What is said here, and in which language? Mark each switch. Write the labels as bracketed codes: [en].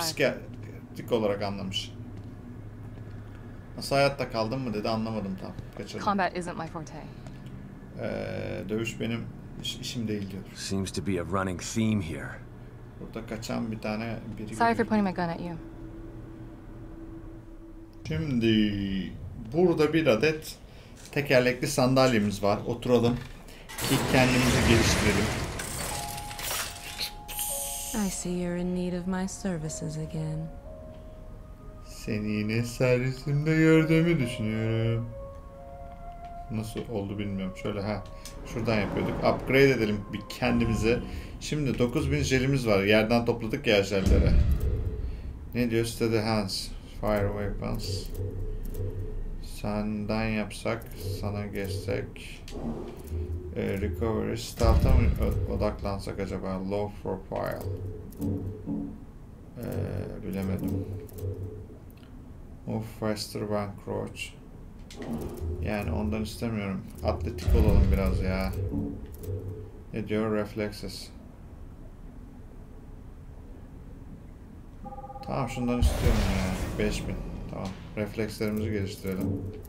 [tr] Psikiyatrik olarak anlamış. Nasıl hayatta kaldın mı dedi anlamadım tam. Kaçırdım. [en] Combat isn't my forte. [tr] Dövüş benim işim değil diyor. [en] Seems to be a running theme here. [tr] Burada kaçan bir tane biri [en] Sorry [tr] görüyor. [en] For pointing my gun at you. [tr] Şimdi burada bir adet tekerlekli sandalyemiz var. Oturalım ki kendimizi geliştirelim. [en] I see you're in need of my services again. [tr] Seni yine servisimde gördüğümü düşünüyorum. Nasıl oldu bilmiyorum. Şöyle ha. Şuradan yapıyorduk. Upgrade edelim bir kendimizi. Şimdi 9000 jelimiz var. Yerden topladık ya jelleri. Ne diyor? [en] Steady hands. Fire weapons. [tr] Senden yapsak, sana geçsek. Recovery. Stealth'a mı odaklansak acaba? [en] Low profile. [tr] Bilemedim. [en] Move faster than crouch. [tr] Yani ondan istemiyorum. Atletik olalım biraz ya. Ne diyor? Reflexes. Tamam şundan istiyorum ya. 5000. Tamam. Reflekslerimizi geliştirelim.